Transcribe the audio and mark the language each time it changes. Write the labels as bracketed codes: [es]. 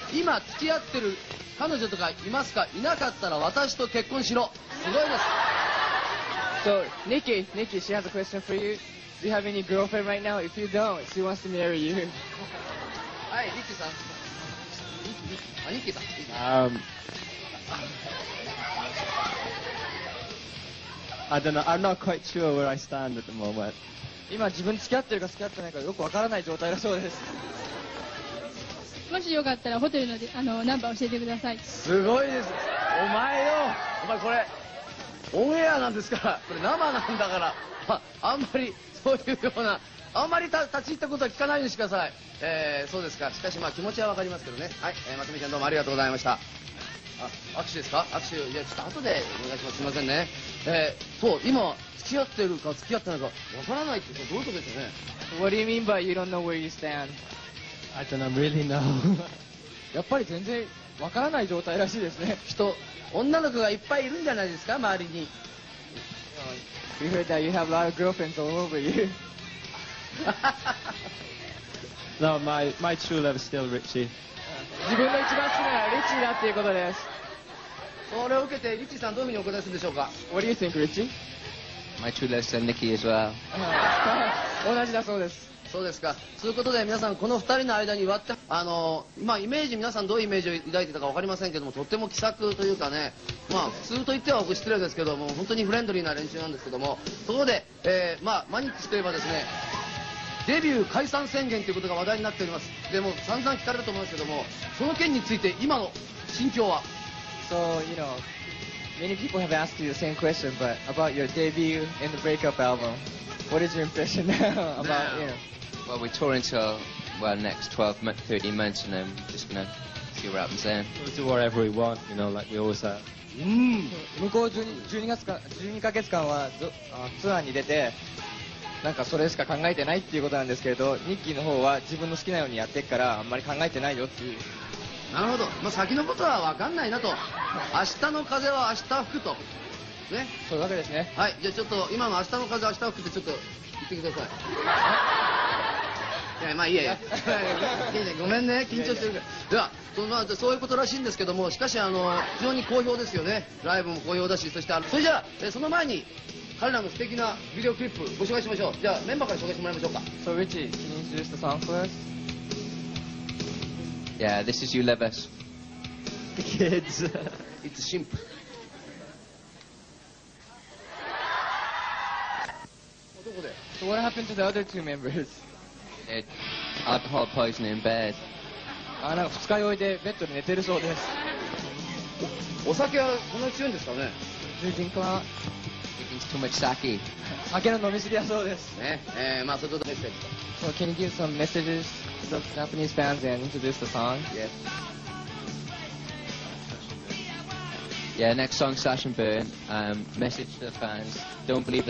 [ja] 今付き合ってる彼女とかいますか？いなかったら私と結婚しろ。すごいです。 [en] So, Nikki, Nikki, she has a question for you. Do you have any girlfriend right now? If you don't, she wants to marry you. [ja] はい、Nikki さん。Nikki さん。 [en] I don't know. I'm not quite sure where I stand at the moment. [ja] 今自分付き合ってるか付き合ってないかよくわからない状態だそうです。もしよかったらホテルの、ナンバー教えてください。すごいです。お前よ、お前これオンエアなんですから、これ生なんだから、あんまりそういうような、あんまり立ち入ったことは聞かないようにしてください。そうですか。しかし、まあ気持ちはわかりますけどね。はい、まつみちゃんどうもありがとうございました。握手ですか？握手、いや、ちょっと後でお願いします。すみませんね。そう、今付き合ってるか付き合ってないかわからないってどういうことですよね。 [en] What do you mean by you don't know where you stand? I don't know, really know. [ja] やっぱり全然わからない状態らしいですね。人、女の子がいっぱいいるんじゃないですか、周りに。 [en] We heard that you have a lot of girlfriends all over you. No, my true love is still Richie. [ja] 自分の一番好きなリッチーだっていうことです。それを受けてリッチーさんどういうふうにお答えするんでしょうか。 [en] What do you think, Richie? My true love is still Nikki as well. [ja] 同じだそうです。そうですか。そういうことで皆さん、この2人の間に割って、まあ、イメージ、皆さんどういうイメージを抱いてたか分かりませんけども、とっても気さくというかね、まあ、普通といっては失礼ですけども、本当にフレンドリーな連中なんですけども、そこで、まあ、マニックスといえばですね、デビュー解散宣言ということが話題になっております、でも散々聞かれたと思いますけども、その件について、今の心境は。 [en] So, you know, many people have asked you the same question, but about your debut and the breakup album. What is your impression now about you? Yeah. Well, we're touring until, well, next 13 months, and then we're just gonna see what happens then. We'll do whatever we want, you know, like we always have. [ja] 向こう 12ヶ月間はツアーに出て、なんかそれしか考えてないっていうことなんですけれど、ニッキーの方は自分の好きなようにやってっから、あんまり考えてないよっていう。なるほど。まあ、先のことは分かんないなと。明日の風は明日吹くと。ね、そういうわけですね。はい、じゃあちょっと今の明日の風明日吹くってちょっと言ってください。いや、まあいいや、いやごめんね、緊張してるから。では、まあ、そういうことらしいんですけども、しかし非常に好評ですよね。ライブも好評だし、そしてそれじゃあ、その前に彼らの素敵なビデオクリップご紹介しましょう。じゃあメンバーから紹介してもらいましょうか。 [en] So Richie, can you introduce the song for us? Yeah, this is You Love Us. Kids. It's a shimp So what happened to the other two members? Alcohol poisoning in bed. [ja] あ、なんか二日酔いでベッドで寝てるそうです。お酒はこんなに強いんですかね？ [en] Drinking a lot. Drinking too much sake. [ja] 酒の飲みすぎだそうです。ね、まあそういうことメッセージ。 [en] So can you give some messages to the Japanese fans and introduce the song? Yes. Yeah, next song, Slash and Burn. Message to the fans: Don't believe the hype.